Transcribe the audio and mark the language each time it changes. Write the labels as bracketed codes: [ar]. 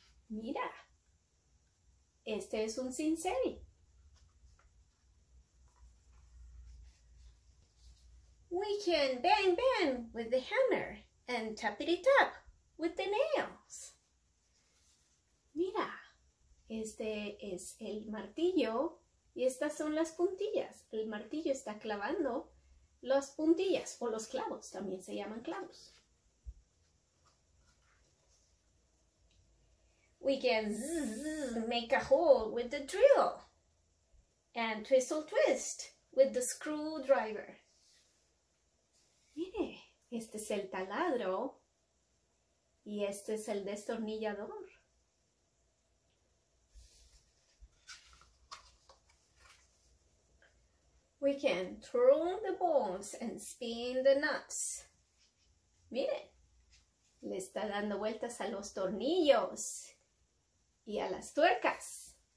[es] Mira, este es un cincel. [en] We can bang bang with the hammer and tapity tap with the nails. [es] Mira, este es el martillo y estas son las puntillas. El martillo está clavando las puntillas o los clavos, también se llaman clavos. [en] We can make a hole with the drill and twist with the screwdriver. [es] Mire, este es el taladro y este es el destornillador. [en] We can turn the bones and spin the nuts. [es] Mire, le está dando vueltas a los tornillos y a las tuercas.